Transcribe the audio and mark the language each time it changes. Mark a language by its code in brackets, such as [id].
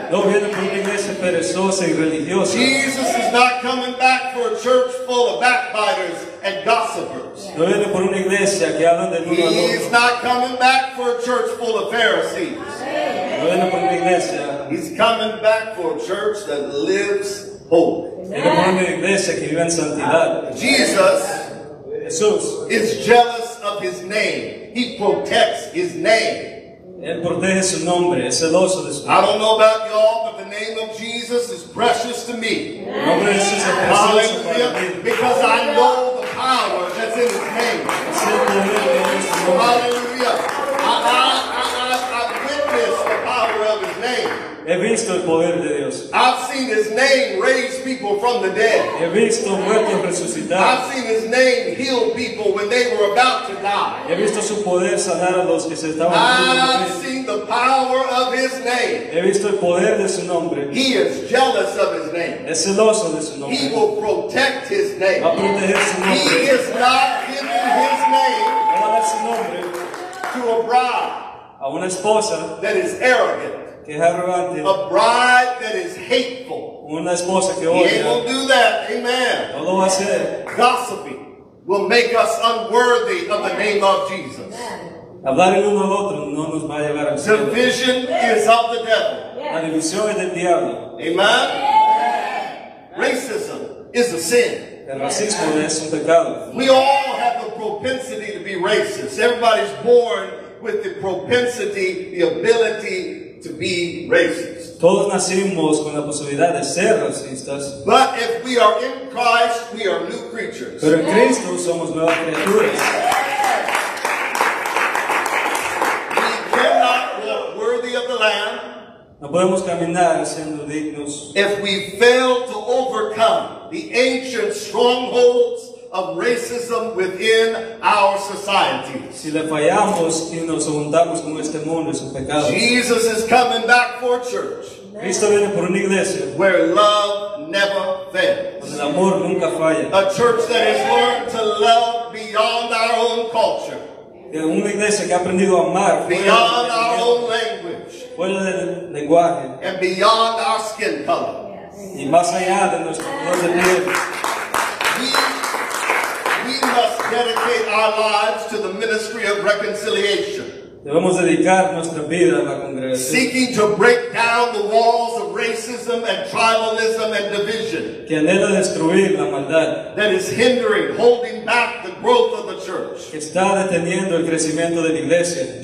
[es] No viene por una iglesia perezosa y religiosa. [en] Jesus is not coming back for a church full of backbiters and gossipers. [es] No viene por una iglesia que hablan de uno al otro. [en] He is not coming back for a church full of Pharisees. [es] No viene por una iglesia. [en] He's coming back for a church that lives holy. [es] Viene por una iglesia que vive en santidad. [en] Jesus is jealous of his name. He protects his name. [es] Él protege su nombre, es celoso de su nombre. [en] I don't know about y'all, but the name of Jesus is precious to me. [es] El nombre de Jesús es precioso para mí. [en] Because I know the power that's in his name. Hallelujah. I've witnessed the power of his name. [es] He visto el poder de Dios. [en] I've seen his name raise people from the dead. [es] He visto muertos resucitar. [en] I've seen his name heal people when they were about to die. [es] He visto su poder sanar a los que se estaban muriendo. [en] I've seen the power of his name. [es] He visto el poder de su nombre. [en] He is jealous of his name. [es] Es celoso de su nombre. [en] He will protect his name. [es] Va a proteger su nombre. [en] He is not giving his name to a bride, [es] a una esposa [en] that is arrogant. A bride that is hateful. [es] Una esposa que odia. [en] He ain't gonna do that. Amen. [es] No lo va a hacer. [en] Gossiping will make us unworthy of the name of Jesus. [es] Hablar el uno al otro no nos va a llevar a ser. [en] Division is of the devil. [es] La división es del diablo. [en] Amen. Racism is a sin. [es] El racismo es un pecado. [en] We all have the propensity to be racist. Everybody's born with the propensity, the ability to be racist. [es] Todos nacimos con la posibilidad de ser racistas. [en] But if we are in Christ, we are new creatures. [es] Pero en Cristo somos nuevas criaturas. [en] We cannot walk worthy of the Lamb. [es] No podemos caminar siendo dignos. [en] If we fail to overcome the ancient strongholds of racism within our society. [es] Si le fallamos y nos juntamos con este mundo, es un pecado. [en] Jesus is coming back for a church. [es] Cristo viene por una iglesia. [en] Where love never fails. [es] El amor nunca falla. [en] A church that has learned to love beyond our own culture. [es] Una iglesia que ha aprendido a amar. [en] Beyond our own language. [es] Fuera del lenguaje. [en] And beyond our skin color. [es] Y más allá de nuestro color de piel. [en] We must dedicate our lives to the ministry of reconciliation. [es] Debemos dedicar nuestra vida a la congregación. [en] Seeking to break down the walls of racism and tribalism and division. [es] Que anhela destruir la maldad. [en] That is hindering, holding back the growth of the church. [es] Que está deteniendo el crecimiento de la iglesia.